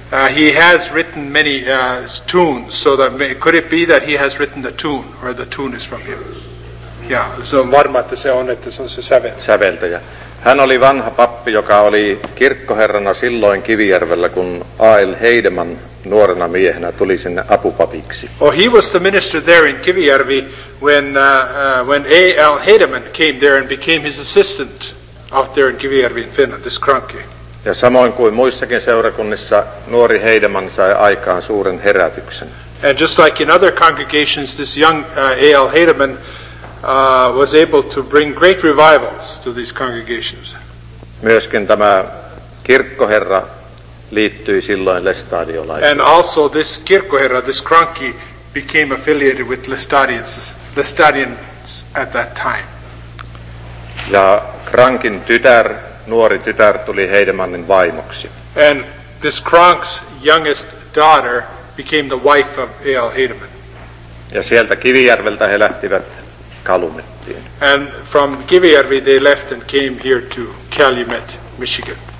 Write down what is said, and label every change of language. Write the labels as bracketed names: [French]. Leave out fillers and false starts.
[English] He has written many tunes, so that could it be that he has written the tune, or the tune is from him? [Finnish] Yeah, so varma, että se on, että se on se säveltäjä. Hän oli vanha pappi, joka oli kirkkoherrana silloin Kivijärvellä, kun A.L. Heideman nuorena miehenä tuli sinne apupapiksi. [English] Oh, he was the minister there in Kivijärvi when A.L. Heideman came there and became his assistant. Out there in Kivijärvi in Finland, this Krankki. [Finnish] Ja samoin kuin muissakin seurakunnissa, nuori Heideman sai aikaan suuren herätyksen. [English] And just like in other congregations, this young A.L. Heideman was able to bring great revivals to these congregations. [Finnish] Myöskin tämä kirkkoherra liittyi silloin lestadiolaisuuteen. [English] And also this kirkkoherra, this Krankki, became affiliated with Lestadians at that time. [Finnish] Ja Krankin tytär, nuori tytär, tuli Heidemannin vaimoksi. [English] And this Krank's youngest daughter became the wife of A.L. Heideman. [Finnish] Ja sieltä Kivijärveltä he lähtivät Kalumettiin. [English] And from Kivijärvi they left and came here to Calumet, Michigan.